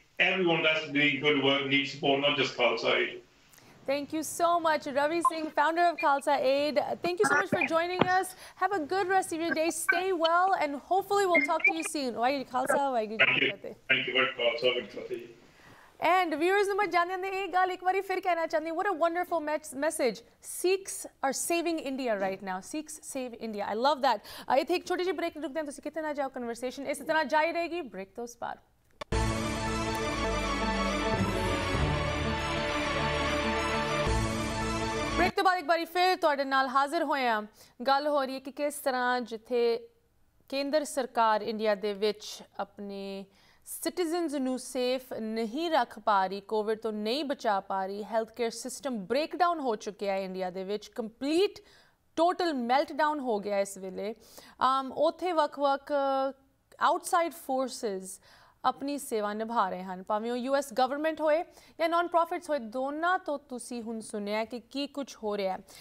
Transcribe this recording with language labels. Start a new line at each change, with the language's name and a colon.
English: Everyone that's doing good work needs support, not just Khalsa Aid. Thank you so much, Ravi Singh, founder of Khalsa Aid. Thank you so much for joining us. Have a good rest of your day. Stay well, and hopefully we'll talk to you soon. Thank you. Thank you very much. And viewers, number
Punjabi: ਜਾਣਿਆ ਨੇ ਇੱਕ ਗੱਲ ਇੱਕ ਵਾਰੀ ਫਿਰ ਕਹਿਣਾ ਚਾਹੁੰਦੀ.
English: What a wonderful message. Sikhs are saving India right now. Sikhs save India. I love that.
Punjabi: ਇੱਥੇ ਇੱਕ ਛੋਟੀ ਜੀ ਬ੍ਰੇਕ ਰੁਕਦੇ ਹੈਂ, ਤੁਸੀਂ ਕਿੱਥੇ ਨਾ ਜਾਓ ਕਨਵਰਸੇਸ਼ਨ. ਇਸ ਇਤਨਾ ਜਾਰੀ ਰਹੇਗੀ, ਬ੍ਰੇਕ ਤੋ ਉਸ ਬਾਅਦ. ਬ੍ਰੇਕ ਤੋਂ ਬਾਅਦ ਇੱਕ ਵਾਰੀ ਫਿਰ ਤੁਹਾਡੇ ਨਾਲ ਹਾਜ਼ਰ ਹੋਇਆ। ਗੱਲ ਹੋ ਰਹੀ ਹੈ ਕਿ ਕਿਸ ਤਰ੍ਹਾਂ ਜਿੱਥੇ ਕੇਂਦਰ ਸਰਕਾਰ ਇੰਡੀਆ ਦੇ ਵਿੱਚ ਆਪਣੇ ਸਿਟੀਜ਼ਨਸ ਨੂੰ ਸੇਫ ਨਹੀਂ ਰੱਖ ਪਾ ਰਹੀ, ਕੋਵਿਡ ਤੋਂ ਨਹੀਂ ਬਚਾ ਪਾ ਰਹੀ, ਹੈਲਥ ਕੇਅਰ ਸਿਸਟਮ ਬ੍ਰੇਕਡਾਊਨ ਹੋ ਚੁੱਕਿਆ ਇੰਡੀਆ ਦੇ ਵਿੱਚ, ਕੰਪਲੀਟ ਟੋਟਲ ਮੈਲਟਡਾਊਨ ਹੋ ਗਿਆ ਇਸ ਵੇਲੇ, ਉੱਥੇ ਵੱਖ ਵੱਖ ਆਊਟਸਾਈਡ ਫੋਰਸਿਸ ਆਪਣੀ ਸੇਵਾ ਨਿਭਾ ਰਹੇ ਹਨ, ਭਾਵੇਂ ਉਹ US ਗਵਰਨਮੈਂਟ ਹੋਏ ਜਾਂ ਨੋਨ ਪ੍ਰੋਫਿਟਸ ਹੋਏ, ਦੋਨਾਂ ਤੋਂ ਤੁਸੀਂ ਹੁਣ ਸੁਣਿਆ ਕਿ ਕੁਛ ਹੋ ਰਿਹਾ।